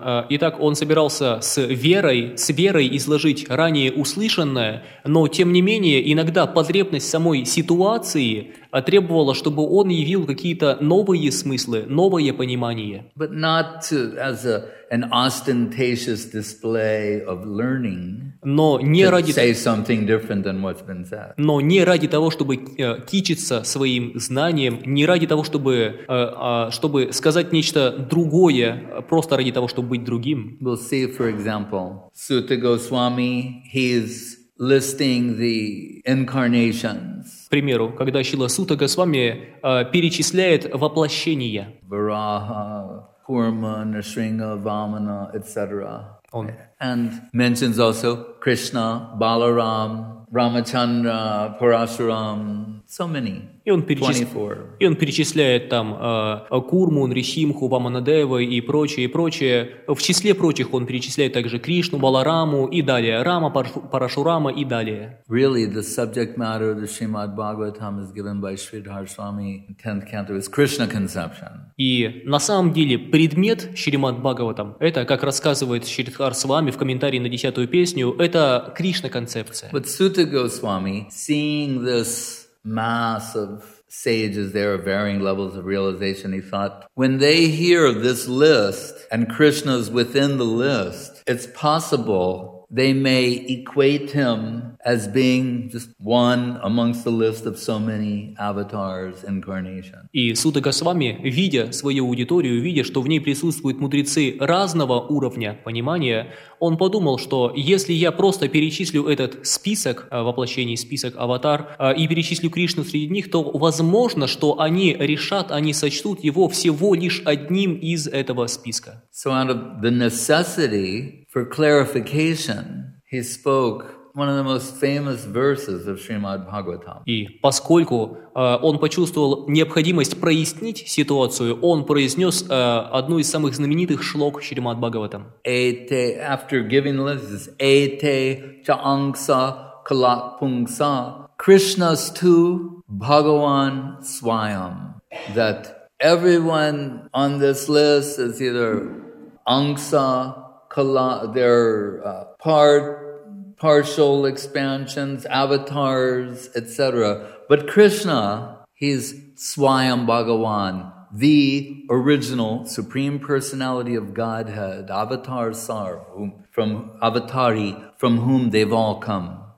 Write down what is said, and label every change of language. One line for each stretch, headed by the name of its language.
Russian: Итак, он собирался с верой изложить ранее услышанное, но тем не менее иногда потребность самой ситуации требовала, чтобы он явил какие-то новые смыслы, новое понимание.
English: But not to, as a, an ostentatious display of learning.
Russian: Но не ради
English: say something different than what's been said.
Russian: Но не ради того, чтобы кичиться своим знанием, не ради того, чтобы сказать нечто другое, просто ради того, чтобы быть другим.
English: We'll see, for example, Suta Goswami, he's listing the incarnations.
Russian: К примеру, когда Шрила Сута Госвами перечисляет воплощения.
English: Вараха, Курма, Нрисинха, Вамана, etc.
Russian: Он.
English: And mentions also Krishna, Balaram, Рамачандра, Парашурам, so many.
Russian: И он перечисляет там Курму, Нрисимху, Ваманадеву и прочее, и прочее. В числе прочих он перечисляет также Кришну, Балараму и далее. Рама, Парашурама и далее.
English: Really, the subject matter of the Srimad Bhagavatam is given by Sridhar Swami in 10th canto is Krishna conception.
Russian: И на самом деле предмет Шримад Бхагаватам, это, как рассказывает Шридхар Свами в комментарии на 10-ю песню, это Кришна концепция.
English: But Sutta Goswami, seeing this mass of sages there of varying levels of realization, he thought, when they hear this list and Krishna's within the list, it's possible they may equate him as being just one amongst the list of so many avatars incarnation.
Russian: И Сута Госвами, видя свою аудиторию, видя, что в ней присутствуют мудрецы разного уровня понимания, он подумал, что если я просто перечислю этот список воплощений, список аватар, и перечислю Кришну среди них, то возможно, что они решат, они сочтут его всего лишь одним из этого списка.
English: So out of the necessity for clarification, he spoke one of the most famous verses of Srimad Bhagavatam.
Russian: И поскольку он почувствовал необходимость прояснить ситуацию, он произнес одну из самых знаменитых шлок Шримад Бхагаватам.
Sanskrit: Эйте,
English: after giving this,
Sanskrit: эйте чаангса калакпунгса, Кришнас ту Бхагаван свайам.
English: That everyone on this list is either ангса, кала, their partial expansions, avatars, etc. But Krishna, he's Swayam Bhagavan, the original Supreme Personality of Godhead, Avatar Sar, from Avatari, from whom they've all come.